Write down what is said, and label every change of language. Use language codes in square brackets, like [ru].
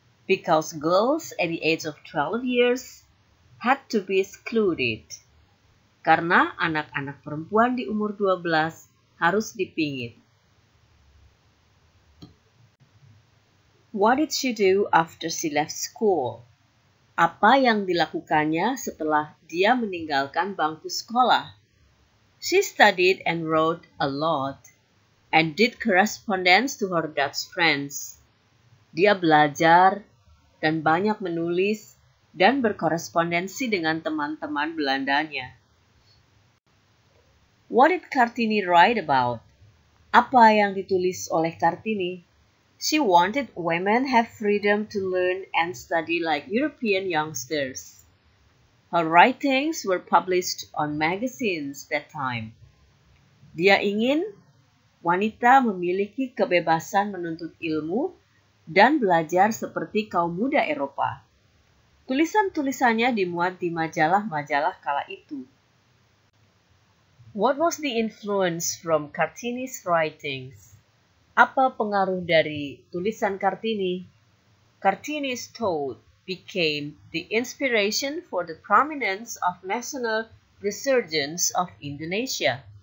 [en] Because girls at the age of 12 years had to be excluded. [id] Karena anak-anak perempuan di umur 12 harus dipingit. [en] What did she do after she left school? [id] Apa yang dilakukannya setelah dia meninggalkan bangku sekolah? [en] She studied and wrote a lot and did correspondence to her Dutch friends. [id] Dia belajar dan banyak menulis dan berkorespondensi dengan teman-teman Belandanya. [en] What did Kartini write about? [id] Apa yang ditulis oleh Kartini? [en] She wanted women have freedom to learn and study like European youngsters. Her writings were published on magazines that time. [id] Dia ingin wanita memiliki kebebasan menuntut ilmu dan belajar seperti kaum muda Eropa. Tulisan-tulisannya dimuat di majalah-majalah kala itu. [en] What was the influence from Kartini's writings? [id] Apa pengaruh dari tulisan Kartini? [en] Kartini's thought became the inspiration for the prominence of national resurgence of Indonesia.